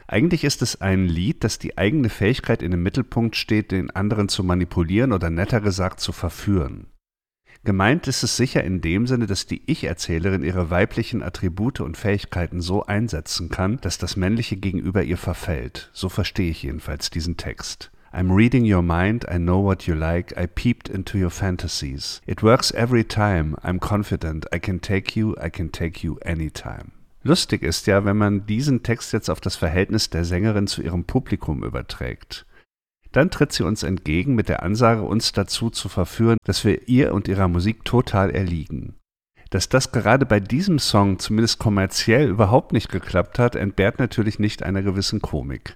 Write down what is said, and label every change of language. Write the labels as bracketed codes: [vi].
[de] Eigentlich ist es ein Lied, das die eigene Fähigkeit in den Mittelpunkt steht, den anderen zu manipulieren oder netter gesagt zu verführen. Gemeint ist es sicher in dem Sinne, dass die Ich-Erzählerin ihre weiblichen Attribute und Fähigkeiten so einsetzen kann, dass das männliche Gegenüber ihr verfällt. So verstehe ich jedenfalls diesen Text. [en] I'm reading your mind, I know what you like, I peeped into your fantasies. It works every time, I'm confident, I can take you anytime. [de] Lustig ist ja, wenn man diesen Text jetzt auf das Verhältnis der Sängerin zu ihrem Publikum überträgt. Dann tritt sie uns entgegen mit der Ansage, uns dazu zu verführen, dass wir ihr und ihrer Musik total erliegen. Dass das gerade bei diesem Song zumindest kommerziell überhaupt nicht geklappt hat, entbehrt natürlich nicht einer gewissen Komik.